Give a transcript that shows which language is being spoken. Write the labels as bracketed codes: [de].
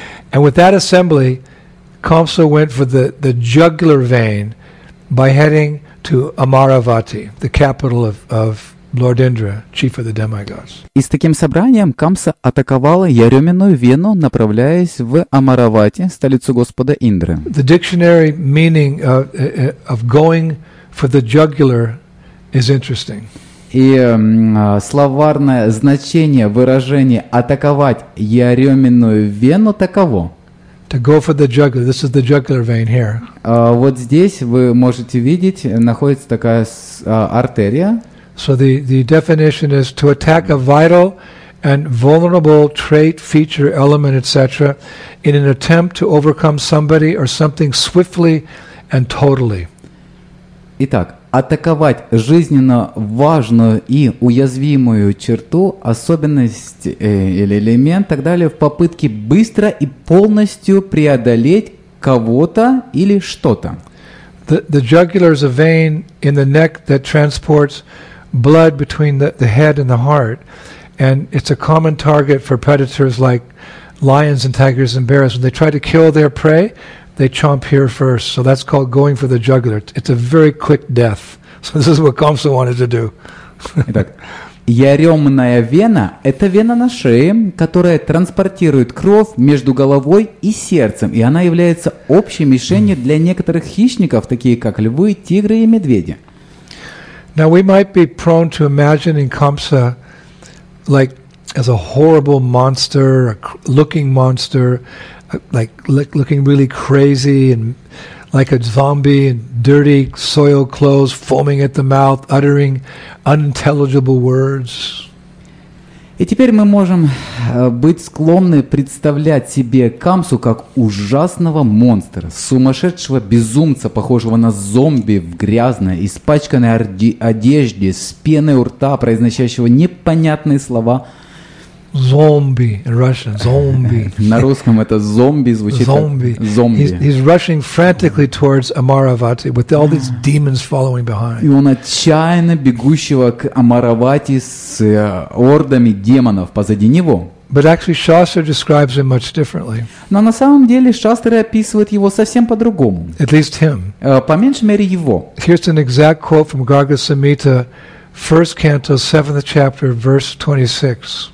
[en] And with that assembly, Kamsa went for the jugular vein by heading to Amaravati, the capital of Lord Indra, chief of the demigods. [ru] И с таким собранием Камса атаковала яременную вену, направляясь в Амаравати, столицу господа Индры. [en] The dictionary meaning of going for the jugular is interesting. [ru] И словарное значение выражения атаковать яременную вену таково. [en] To go for the jugular. This is the jugular vein here. [ru] Вот здесь вы можете видеть, находится такая артерия. [en] So the definition is to attack a vital and vulnerable trait, feature, element, etc., in an attempt to overcome somebody or something swiftly and totally. [ru] Итак, атаковать жизненно важную и уязвимую черту, особенность или элемент, так далее, в попытке быстро и полностью преодолеть кого-то или что-то. [en] The jugular is a vein in the neck that transports blood between the head and the heart, and it's a common target for predators like lions and tigers and bears. When they try to kill their prey, they chomp here first. So that's called going for the jugular. It's a very quick death. So this is what Комса wanted to do. [ru] Итак, яремная вена – это вена на шее, которая транспортирует кровь между головой и сердцем, и она является общей мишенью для некоторых хищников, такие как львы, тигры и медведи. [en] Now we might be prone to imagining Комса like as a horrible monster, a looking monster, like looking really crazy and like a zombie in dirty, soiled clothes, foaming at the mouth, uttering unintelligible words. [ru] И теперь мы можем быть склонны представлять себе Комсу как ужасного монстра, сумасшедшего безумца, похожего на зомби в грязной, испачканной одежде, с пеной у рта, произносящего непонятные слова. [en] Зомби, in Russian, зомби. [ru] На русском это зомби звучит. Зомби. [en] He's rushing frantically towards Amaravati with all these demons following behind. [ru] И он отчаянно бегущего к Амаравати с ордами демонов позади него. [en] But actually, Shastra describes him much differently. [ru] Но на самом деле Шастра описывает его совсем по-другому. [en] At least him. [ru] По меньшей мере его. [en] Here's an exact quote from Garga Samhita. First canto, 7th chapter, verse 26.